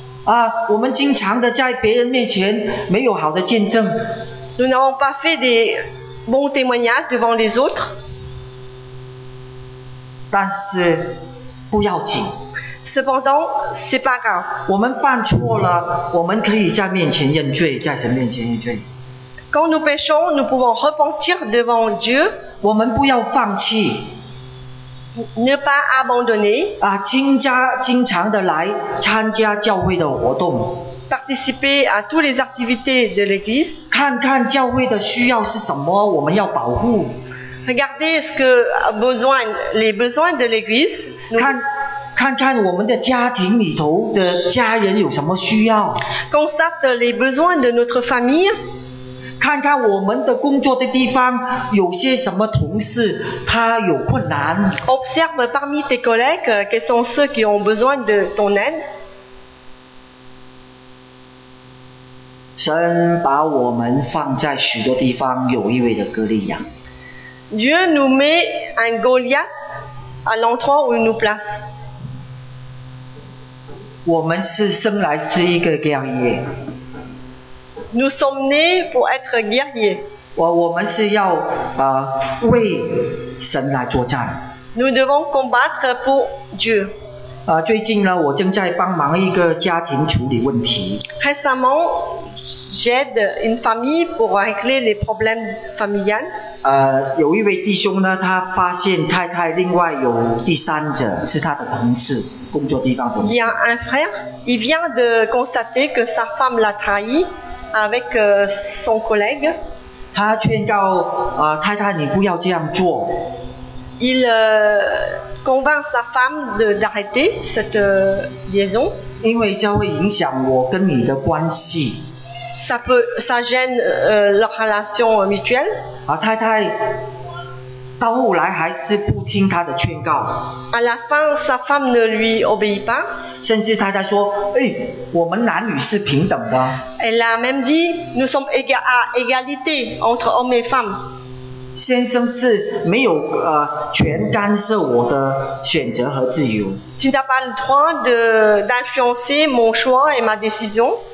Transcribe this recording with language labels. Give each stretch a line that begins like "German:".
Chinese: 啊，我们经常的在别人面前没有好的见证。
French: Nous n'avons pas fait des bons témoignages devant les autres.
Chinese: 但是不要紧。
French: Cependant, c'est pas grave.
Chinese: 我们犯错了，我们可以在面前认罪，在神面前认罪。
French: Quand nous péchons, nous pouvons repentir devant Dieu.
Chinese: 我们不要放弃。
French: Ne pas abandonner.
Chinese: 啊，经常的来参加教会的活动。
French: Participer à toutes les activités de l'église.
Chinese: 看看教会的需要是什么，我们要保护。
French: Regardez ce que besoin, les besoins de l'église.
Chinese: 看看我们的家庭里头的家人有什么需要。
French: Constate les besoins de notre famille.
Chinese: 看看我们的工作的地方有些什么同事他有困难。
French: Observe parmi tes collègues quels sont ceux qui ont besoin de ton aide.
Chinese: 神把我们放在许多地方，有一位的哥利亚。
French: Dieu nous met un Goliath à l'endroit où il nous place.
Chinese: 我们是生来是一个guerrier。
French: Nous sommes nés pour être guerriers.
Chinese: 我们是要为神来作战。
French: Nous devons combattre pour Dieu.
Chinese: 最近呢，我正在帮忙一个家庭处理问题。
French: Récemment, j'aide une famille pour régler les problèmes familiaux.
Chinese: 有一位弟兄呢，他发现太太另外有第三者，是他的同事，工作地方同事。
French: Il y a un frère. Il vient de constater que sa femme l'a trahi. Avec son collègue.
Chinese: 他劝告太太你不要这样做。
French: Il convainc sa femme d'arrêter cette liaison.
Chinese: 因为这会影响我跟你的关系。
French: Ça gêne leur relation mutuelle.
Chinese: 太太到后来还是不听他的劝告。
French: À la fin, sa femme ne lui obéit pas.
Chinese: 甚至太太说：“哎，我们男女是平等的。”
French: Elle a même dit, nous sommes à égalité entre hommes et femmes.
Chinese: 先生是没有权干涉我的选择和自由。
French: Tu n'as pas le droit d'influencer mon choix et ma décision.